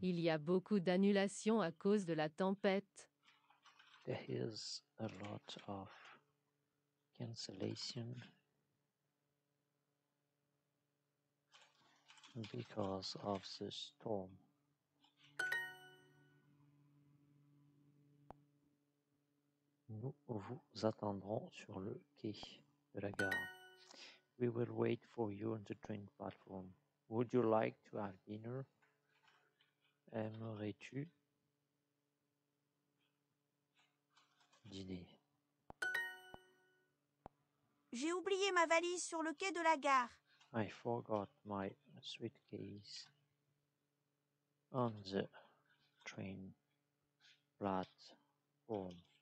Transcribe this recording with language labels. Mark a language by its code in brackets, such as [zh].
[fr] Il y a beaucoup d'annulations à cause de la tempête. [en] There is a lot of cancellation because of the storm. [fr] Nous vous attendrons sur le quai de la gare. [en] We will wait for you on the train platform. Would you like to have dinner? [fr] Aimerais-tu dîner? J'ai oublié ma valise sur le quai de la gare. [en] I forgot my suitcase on the train platform.